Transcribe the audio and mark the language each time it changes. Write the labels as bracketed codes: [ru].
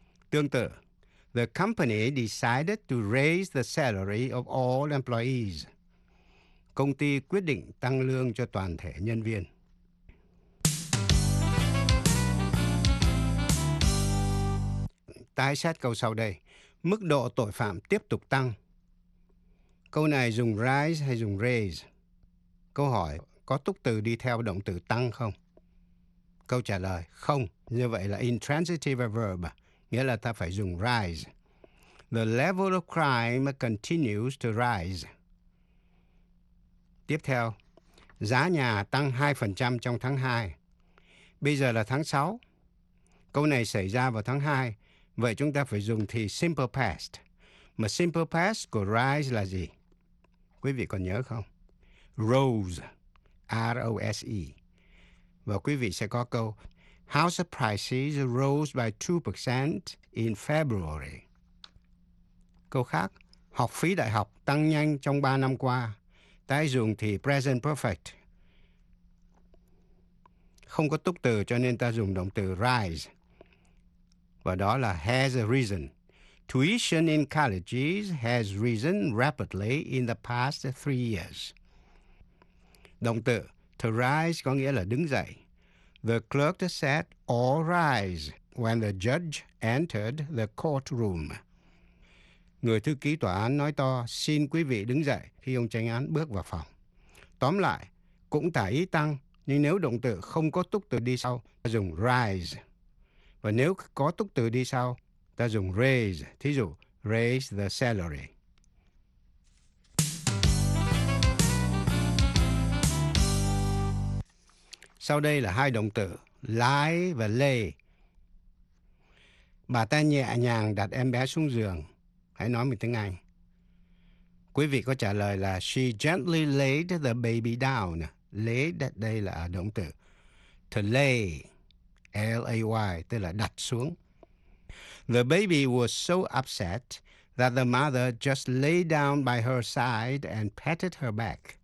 [vi] Tương tự, [en] the company decided to raise the salary of all employees. [vi] Công ty quyết định tăng lương cho toàn thể nhân viên. Tái xét câu sau đây. Mức độ tội phạm tiếp tục tăng. Câu này dùng rise hay dùng raise? Câu hỏi, có túc từ đi theo động từ tăng không? Câu trả lời, không. Như vậy là intransitive verb, nghĩa là ta phải dùng rise. [en] The level of crime continues to rise. [vi] Tiếp theo, giá nhà tăng 2% trong tháng 2. Bây giờ là tháng 6. Câu này xảy ra vào tháng 2. Vậy chúng ta phải dùng thì simple past. Mà simple past của rise là gì? Quý vị còn nhớ không? [en] Rose, R-O-S-E. [vi] Và quý vị sẽ có câu, [en] House prices rose by 2% in February. [vi] Câu khác, học phí đại học tăng nhanh trong 3 năm qua. Tái dùng thì present perfect. Không có túc từ cho nên ta dùng động từ rise. Và đó là has risen. [en] Tuition in colleges has risen rapidly in the past 3 years. [vi] Động từ to rise có nghĩa là đứng dậy. [en] The clerk said all rise when the judge entered the courtroom. [vi] Người thư ký tòa án nói to, xin quý vị đứng dậy khi ông chánh án bước vào phòng. Tóm lại, cũng tả ý tăng, nhưng nếu động từ không có túc từ đi sau, ta dùng rise. Và nếu có túc từ đi sau, ta dùng raise. Thí dụ, [en] raise the salary. [vi] Sau đây là hai động từ, lie và lay. Bà ta nhẹ nhàng đặt em bé xuống giường. Hãy nói mình tiếng Anh. Quý vị có trả lời là [en] she gently laid the baby down. [vi] Laid đây là động từ. To lay, L-A-Y, tức là đặt xuống. [en] The baby was so upset that the mother just lay down by her side and patted her back.